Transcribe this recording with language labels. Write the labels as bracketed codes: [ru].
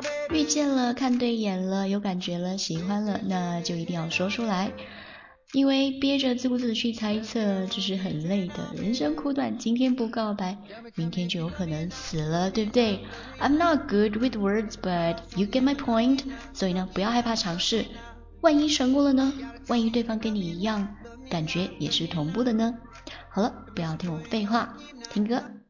[zh] 遇见了，看对眼了，有感觉了，喜欢了，那就一定要说出来，因为憋着自顾自的去猜测这是很累的。人生苦短，今天不告白，明天就有可能死了，对不对？ [en] I'm not good with words, but you get my point. [zh] 所以呢，不要害怕尝试，万一成功了呢？万一对方跟你一样感觉也是同步的呢？好了，不要听我废话，听歌。